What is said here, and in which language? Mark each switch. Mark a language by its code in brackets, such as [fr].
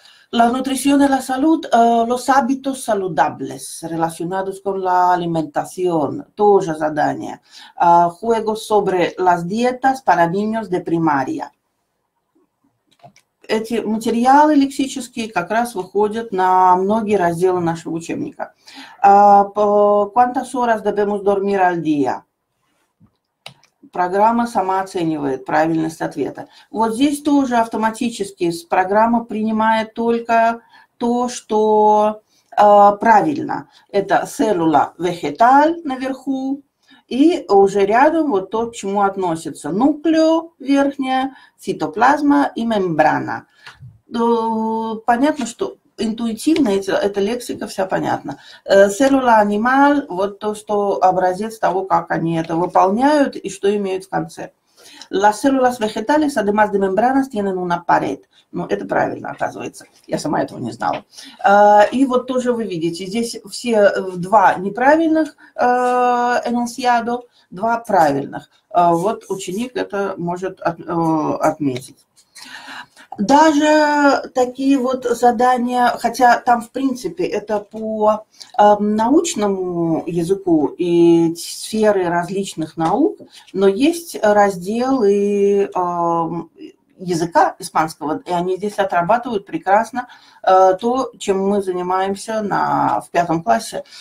[es] La nutrición y la salud, los hábitos saludables relacionados con la alimentación, [ru] тоже задание. [es] Juego sobre las dietas para niños de primaria. [ru] Эти материалы лексические как раз выходят на многие разделы нашего учебника. [es] ¿Cuántas horas debemos dormir al día? [ru] Программа сама оценивает правильность ответа. Вот здесь тоже автоматически программа принимает только то, что правильно. Это célula vegetal наверху. И уже рядом вот то, к чему относится нуклео верхняя, цитоплазма и мембрана. Понятно, что интуитивно эта лексика вся понятна. Célula animal, вот то, что образец того, как они это выполняют и что имеют в конце. [es] Las células vegetales, además de membranas, tienen una pared. [ru] Ну, это правильно, оказывается. Я сама этого не знала. И вот тоже вы видите, здесь все два неправильных enunciado, два правильных. Вот ученик это может отметить. Даже такие вот задания, хотя там, в принципе, это по научному языку и сферы различных наук, но есть разделы языка испанского, и они здесь отрабатывают прекрасно то, чем мы занимаемся в пятом классе.